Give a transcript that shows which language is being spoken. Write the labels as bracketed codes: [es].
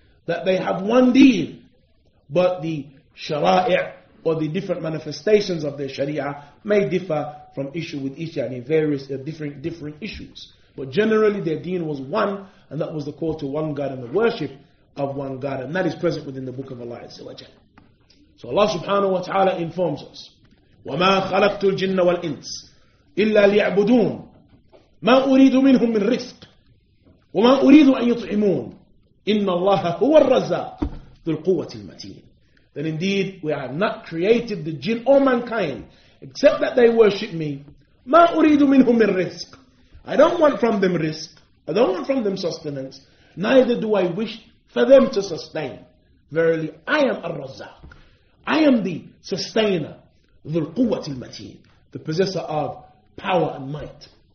[en] That they have one deen, but the شرائع, or the different manifestations of their sharia, may differ from issue with issue, and in various different issues. But generally their deen was one, and that was the call to one God and the worship of one God. And that is present within the book of Allah Azza wa Jalla. [ar] So Allah subhanahu wa ta'ala informs us, وَمَا خَلَقْتُ الْجِنَّ وَالْإِنسِ إِلَّا لِيَعْبُدُونَ مَا أُرِيدُ مِنْهُمْ مِنْ رِزْقٍ وَمَا أُرِيدُ أَنْ يُطْعِمُونَ إِنَّ اللَّهَ هُوَ الرَّزَّاقُ ذُو الْقُوَّةِ الْمَتِينَ. [en] Then indeed we have not created the jinn or mankind except that they worship me. [ar] مَا أُرِيدُ مِنْهُمْ مِنْ رِزْقٍ. [en] I don't want from them risk, I don't want from them sustenance, neither do I wish for them to sustain. Verily I am الرَّزَّاقُ, I am the sustainer, [ar] ذُو الْقُوَّةِ الْمَتِينَ, [en] the possessor of power and might.